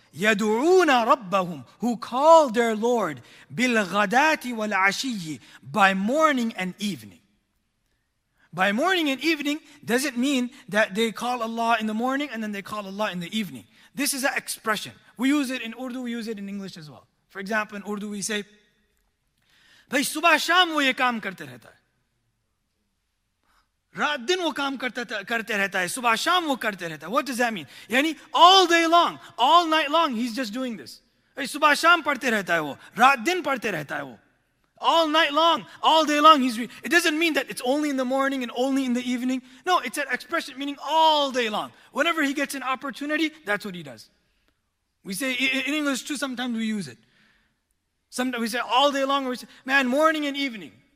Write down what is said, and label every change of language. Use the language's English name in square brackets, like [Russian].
[Arabic] يَدُعُونَ رَبَّهُمْ [English] who call their Lord [Arabic] بِالْغَدَاتِ وَالْعَشِيِّ [English] by morning and evening. By morning and evening, does it mean that they call Allah in the morning and then they call Allah in the evening? This is an expression. We use it in Urdu, we use it in English as well. For example, in Urdu we say, [Urdu] بھئی صبح شام وہ یہ کام کرتے رہتا ہے. رات دن وہ کام کرتے رہتا ہے صبح شام وہ کرتے رہتا ہے. [English] What does that mean? یعنی all day long, all night long, he's just doing this. [Urdu] صبح شام پڑھتے رہتا ہے وہ رات دن پڑھتے رہتا ہے وہ. [English] All night long, all day long, he's reading. It doesn't mean that it's only in the morning and only in the evening. No, it's an expression meaning all day long. Whenever he gets an opportunity, that's what he does. We say, in English too, sometimes we use it. Sometimes we say all day long, or we say, man, morning and evening.